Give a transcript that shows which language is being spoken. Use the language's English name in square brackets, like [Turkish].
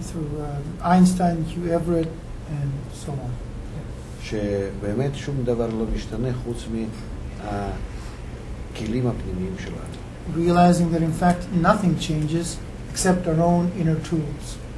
[English] through Einstein, Hugh Everett, and so on. [Hebrew] שבאמת שום דבר לא משתנה חוץ מהכלים הפנימיים שלנו. [English] Realizing that in fact nothing changes except our own inner tools.